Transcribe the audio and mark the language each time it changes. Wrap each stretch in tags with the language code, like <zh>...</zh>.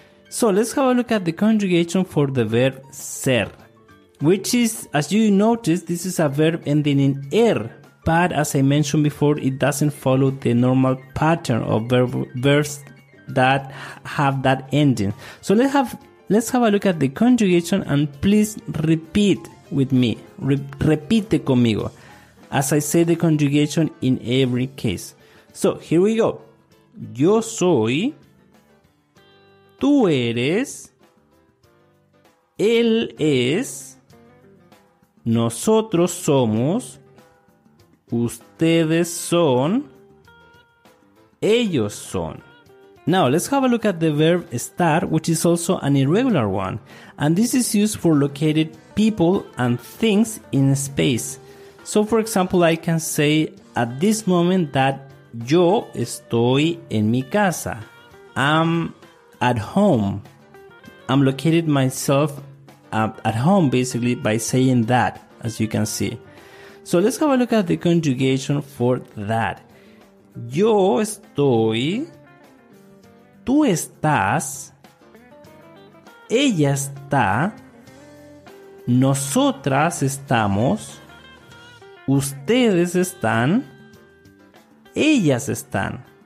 <en>So let's have a look at the conjugation for the verb ser, which is, as you notice, this is a verb ending in er, but as I mentioned before, it doesn't follow the normal pattern of verbs that have that ending. So let's have a look at the conjugation, and please repeat with me,</en> <es>repite conmigo,</es> <en>as I say the conjugation in every case. So here we go.</en> <es>Yo soy, tú eres, él es, nosotros somos, ustedes son, ellos son.</es> <en>Now, let's have a look at the verb estar, which is also an irregular one. And this is used for located people and things in space. So, for example, I can say at this moment that</en> <es>yo estoy en mi casa.</es> <en>I'm at home. I'm located myself at home, basically, by saying that, as you can see. So, let's have a look at the conjugation for that.</en> <es>Yo estoy... Tú estás, ella está, nosotras estamos, ustedes están, ellas están.</es>